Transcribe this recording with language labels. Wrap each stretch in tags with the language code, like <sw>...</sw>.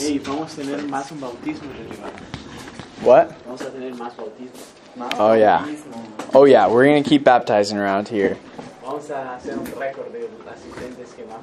<es>Hey, vamos a tener más un bautismo.</es> <en>What?</en> <es>Vamos a tener más bautismo.</es> <en>Oh yeah. Oh yeah, we're gonna keep baptizing around here.</en> <es>Vamos a hacer un récord de asistentes que van</es>